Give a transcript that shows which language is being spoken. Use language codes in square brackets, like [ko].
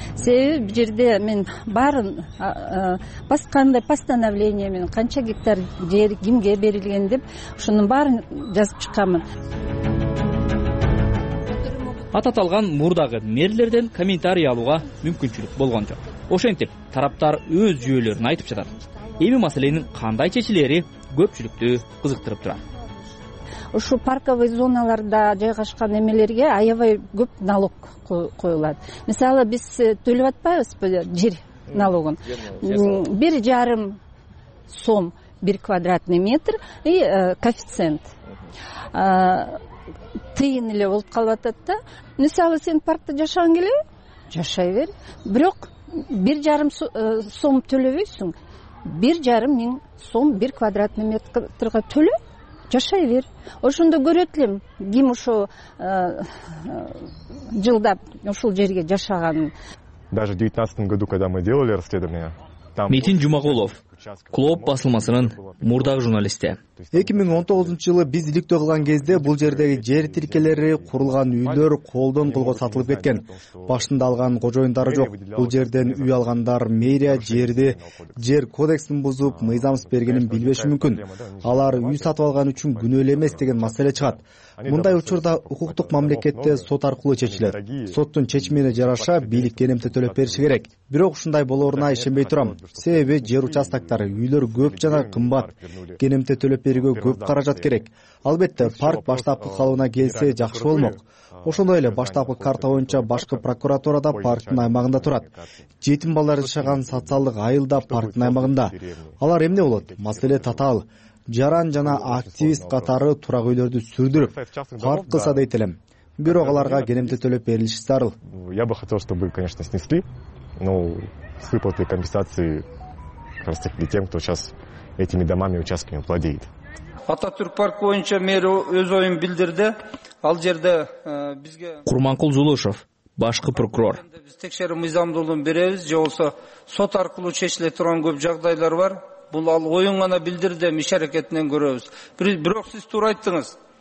[ky] Себеби бул жерде мен баарын кандай постановление менен канча гектар жер кимге берилген деп ушунун баарын жазып чыкканмын. Аталган мурдагы мэрлерден комментарий алууга мүмкүнчүлүк болгон жок. Ошентип тараптар өз жүйөлөрүн айтып жатат. Эми маселенин кандай чечилери көпчүлүктү кызыктырып турат. Ушу [ru] парковый [ky] зоналарда жайгашкан эмелерге аябай көп налог коюлат. Мисалы биз төлөп атпайбызбы жер налогун? [ru] 1.5 сом 1 квадратный метр и коэффициент. [ky] Тыйын эле болуп калып атат да. Мисалы сен паркта жашагың келеби? Жашай бер. Бирок 1.5 сом төлөбөйсүң. 1.5 миң сом 1 квадратный метрга төлө, жашай бер. Ошондо көрөт элем ким ушу жылдап ушул жерге жашаганын. [ru] Даже в 2019 году, когда мы делали расследование, [ky] Митин Жумагулов, Клооп басылмасынын мурдагы журналисти. 2019-жылы биз иликтөө кылган кезде бул жердеги жер тилкелери, курулган үйлөр колдон колго сатылып кеткен. Башында алган кожоюндары жок. Бул жерден үй алгандар мэрия жерди жер кодексин бузуп, мыйзамсыз бергенин билбеши мүмкүн. Алар үй сатып алган үчүн күнөөлүү эмес деген маселе чыгат. Мындай учурда укуктук мамлекетте сот аркылуу чечилет. Соттун чечимине жараша бийлик кенемти төлөп бериши керек. Бирок ушундай болоруна ишенбей турам. Себеби жер участоктору, үйлөр көп жана кымбат. Кенемти төлөп берүүгө көп каражат керек. Албетте, парк баштапкы калыбына келсе жакшы болмок. Ошондой эле баштапкы карта боюнча башкы прокуратурада парктын аймагында турат. Жетим балдар жашаган социалдык айыл да парктын аймагында. Алар эмне болот? Маселе татаал. Жаран жана активист катары турак үйлөрдү сүрдүрүп, парк кылса дейт элем. Бирок аларга кенемти төлөп берилиши зарыл. [ru] Я бы хотел, чтобы, конечно, снесли, но с выплатой компенсации как раз таки тем, кто сейчас этими домами, участками владеет. [ky] Ататүрк парк боюнча мэр өз оюн билдирди. Ал жерде бизге Курманкул Зулушов, башкы прокурор. Биз текшерүү мыйзамдуулугун беребиз, же болсо сот аркылуу чечиле турган көп жагдайлар бар. Бул ал оюн гана билдирди, иш аракетинен көрөбүз. Бирок сиз туура айттыңыз.